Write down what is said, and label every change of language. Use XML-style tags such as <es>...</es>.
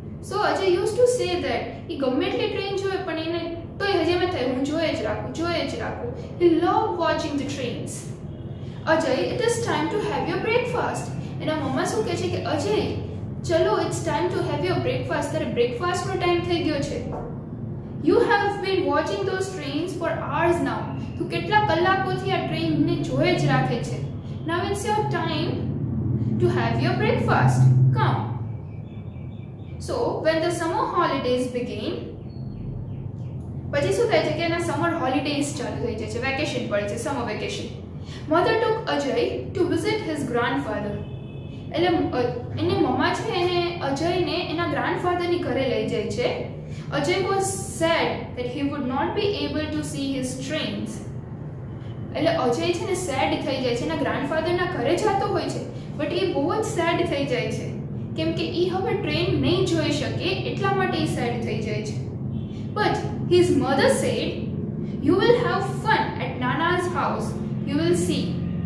<en>so Ajay use to say that</en> <gu>એ ગમે એટલી train જોવે પણ એને તો એ હજી મેં થાય હું જોઈએ જ રાખું, જોઈએ જ રાખું.</gu> <en>He love watching the trains. Ajay, it is time to have your breakfast.</en> <gu>એના મમ્મા શું કહે છે કે અજય ચલો</gu> <en>it's time to have your breakfast,</en> <gu>તારે બ્રેકફાસ્ટ નો ટાઈમ થઈ ગયો છે.</gu> <en>You have been watching those trains for hours now.</en> <gu>તું કેટલા કલાકોથી આ ટ્રેનને જોઈ જ રાખે છે.</gu> <en>Now it's your time to have your breakfast. Come. So when the summer holidays begin,</en> <gu>પછી શું થાય છે કે એના સમર હોલિડેઝ ચાલુ થઈ જાય છે, વેકેશન પડે છે, summer vacation.</gu> <en>Mother took Ajay to visit his grandfather.</en> <gu>એટલે એને મમ્મા છે એને અજયને એના ગ્રાન્ડફાધરની ઘરે લઈ જાય છે.</gu> <en>Ajay was sad that he would not be able to see his trains.</en> <gu>એટલે અજય છે ને સેડ થઈ જાય છે, એના ગ્રાન્ડફાધરના ઘરે જતો હોય છે બટ એ બહુ જ સેડ થઈ જાય છે, કેમ કે એ હવે ટ્રેન નહીં જોઈ શકે એટલા માટે એ સેડ થઈ જાય છે.</gu> <en>But his mother said, you will have fun at nana's house, you will see.</en>